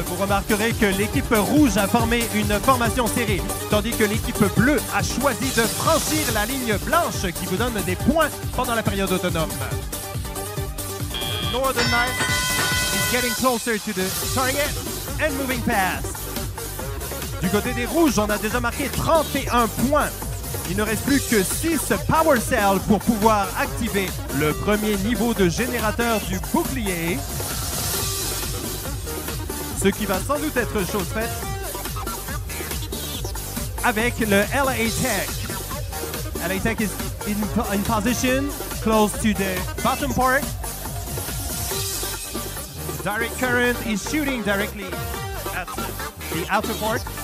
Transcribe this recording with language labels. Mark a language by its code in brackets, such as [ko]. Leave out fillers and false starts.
[fr] Vous remarquerez que l'équipe rouge a formé une formation serrée, tandis que l'équipe bleue a choisi de franchir la ligne blanche qui vous donne des points pendant la période autonome. [en] Northern Knight is getting closer to the target and moving past. [fr] Du côté des rouges, on a déjà marqué 31 points. Il ne reste plus que 6 Power Cells pour pouvoir activer le premier niveau de générateur du bouclier. Ce qui va sans doute être chose faite avec le LA Tech. [en] LA Tech is in position close to the bottom part. Direct current is shooting directly at the outer part.